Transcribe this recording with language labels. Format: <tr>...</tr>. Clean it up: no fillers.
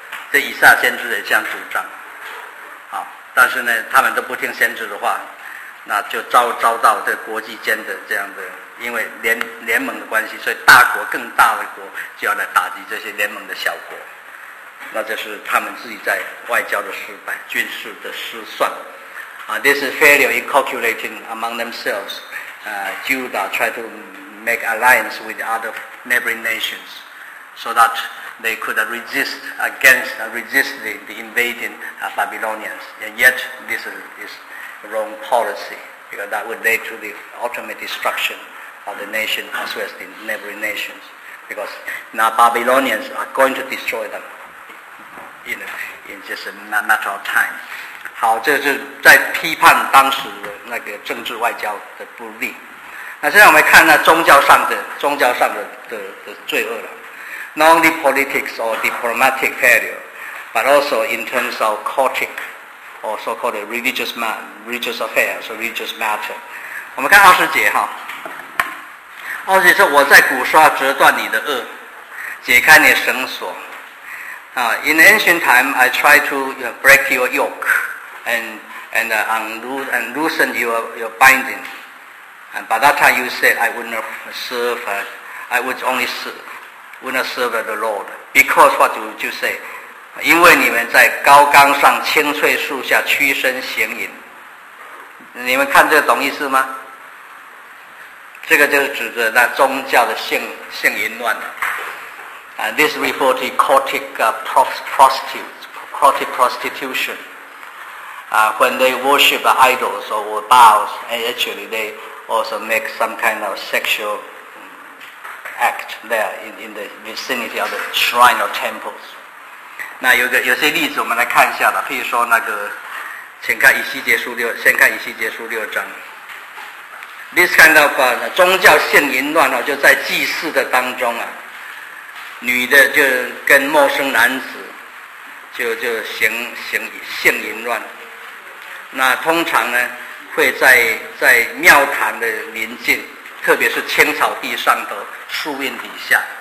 <zh>这以赛亚先知也这样主张，啊，但是呢，他们都不听先知的话，那就遭到这国际间的这样的。因为联盟的关系，所以大国更大的国就要来打击这些联盟的小国，那这是他们自己在外交的失败，军事的失算。</zh> <en>This is failure in calculating among themselves. Judah tried to make alliance with other neighboring nations so that they could resist the invading Babylonians. And yet this is wrong policy because that would lead to the ultimate destruction. Of the nation as well as the neighboring nations, because now Babylonians are going to destroy them, you know, in just a matter of time.</en> <zh>好，这是在批判当时的那个政治外交的不利。那现在我们看那宗教上的罪恶了，</zh> <en>not only politics or diplomatic failure, but also in terms of cultic or so-called religious affairs, so religious matter.</en> <zh>我们看二十节哈，二十节说我在古刷折断你的恶，解开你的绳索。</zh> <en>In ancient time, I try to break your yoke and loosen your binding. And by that time, you said I would not serve. I would not serve the Lord because what would you say?</en> <zh>因为你们在高岗上青翠树下屈身行淫。你们看这个懂意思吗？这个就是指着那宗教的性淫乱的。</zh> <en>And this refers to cultic prostitution. When they worship idols or vows, and actually they also make some kind of sexual act there in the vicinity of the shrine or temples.</en> <zh>那有些例子我们来看一下吧，譬如说那个，先看以西结书六章。</zh> <en>This kind of</en> <zh>宗教性淫乱呢，就在祭祀的当中啊。女的就跟陌生男子就行性淫乱，那通常呢会在庙堂的临近，特别是青草地上的树荫底下。</zh>